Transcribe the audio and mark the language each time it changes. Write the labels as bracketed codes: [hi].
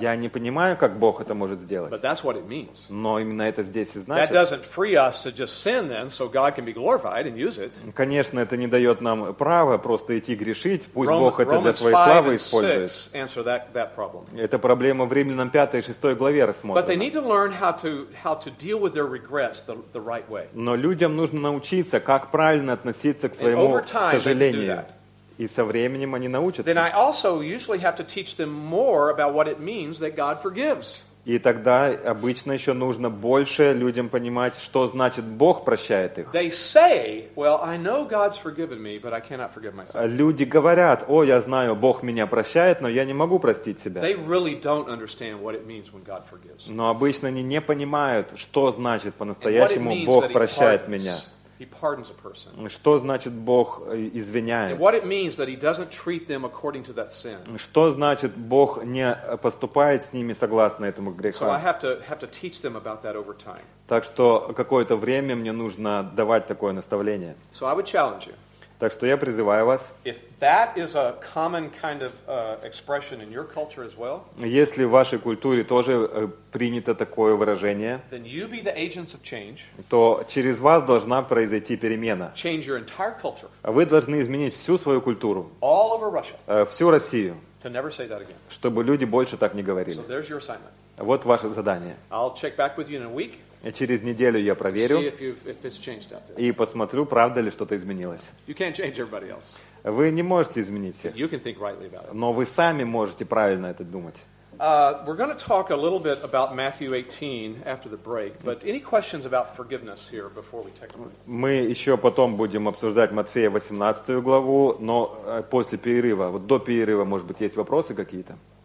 [ru] Я не понимаю, как Бог это может сделать. [en] But that's what it means. [ru] Но именно это здесь и значит. [en] That doesn't free us to just sin then, so God can be glorified and use it. [ru] Конечно, это не дает нам права просто идти грешить, пусть Бог это для своей славы использует. [en] Romans 5 and 6 answer that problem. [ru] Это проблема в Римлянам 5 и 6 главе рассмотрена. [en] But they need to learn how to deal with their regrets the right way. [ru] Но людям нужно научиться, как правильно относиться к своему сожалению. И со временем они научатся. [en] Then I also usually have to teach them more about what it means that God forgives. [ru] И тогда обычно еще нужно больше людям понимать, что значит Бог прощает их. [en] They say, well, I know God's forgiven me, but I cannot forgive myself. [ru] Люди говорят, о, я знаю, Бог меня прощает, но я не могу простить себя. [en] They really don't understand what it means when God forgives. [ru] Но обычно они не понимают, что значит по-настоящему Бог прощает меня. [en] He pardons a person. [ru] Что значит Бог извиняет? [en] And what it means that he doesn't treat them according to that sin. [ru] Что значит Бог не поступает с ними согласно этому греху? [en] So I have to teach them about that over time. [ru] Так что какое-то время мне нужно давать такое наставление. [en] So I would challenge you. [ru] Так что я призываю вас. [en] If that is a common kind of expression in your culture as well. [ru] Если в вашей культуре тоже принято такое выражение, [en] then you be the agents of change. [ru] То через вас должна произойти перемена. [en] Change your entire culture. [ru] Вы должны изменить всю свою культуру. [en] All over Russia. [ru] Всю Россию. [en] To never say that again. [ru] Чтобы люди больше так не говорили. [en] So there's your assignment. [ru] Вот ваше задание. [en] I'll check back with you in a week. [ru] И через неделю я проверю и посмотрю, правда ли что-то изменилось. [en] You can't change everybody else. [ru] Вы не можете изменить всех. [en] You can think rightly about it. [ru] Но вы сами можете правильно это думать. [en] We're going to talk a little bit about Matthew 18 after the break, but any questions about forgiveness here before we take a break? [ru] Мы еще потом будем обсуждать Матфея 18 главу, но после перерыва, вот до перерыва, может быть, есть вопросы какие-то?